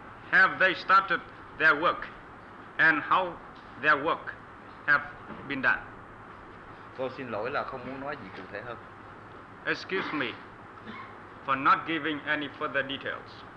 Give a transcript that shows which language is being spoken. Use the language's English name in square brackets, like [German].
[English] Have they started their work, and how their work have been done? [Vietnamese] Tôi xin lỗi là không muốn nói gì cụ thể hơn. [English] Excuse me for not giving any further details.